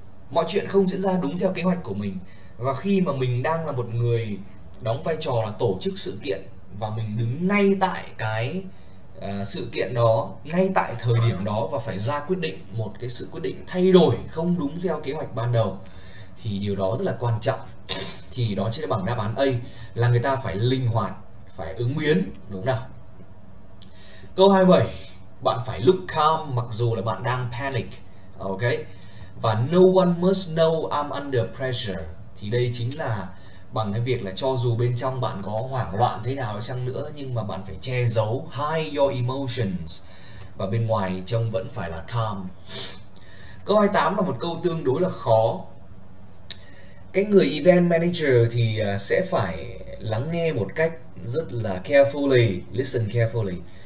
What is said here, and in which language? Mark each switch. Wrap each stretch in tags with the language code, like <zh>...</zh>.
<vi>Mọi chuyện không diễn ra đúng theo kế hoạch của mình. Và khi mà mình đang là một người đóng vai trò là tổ chức sự kiện, và mình đứng ngay tại cái sự kiện đó, ngay tại thời điểm đó, và phải ra quyết định, một cái sự quyết định thay đổi không đúng theo kế hoạch ban đầu, thì điều đó rất là quan trọng. Thì đó chính là bằng đáp án A, là người ta phải linh hoạt, phải ứng biến, đúng nào. Câu 27, bạn phải</vi> <en>look calm</en> <vi>mặc dù là bạn đang panic. Ok.</vi> <en>Và no one must know I'm under pressure.</en> <vi>Thì đây chính là bằng cái việc là cho dù bên trong bạn có hoảng loạn thế nào chăng nữa, nhưng mà bạn phải che giấu,</vi> <en>hide your emotions,</en> <vi>và bên ngoài trông vẫn phải là calm. Câu 28 là một câu tương đối là khó. Cái người event manager thì sẽ phải lắng nghe một cách rất là carefully,</vi> <en>listen carefully.</en>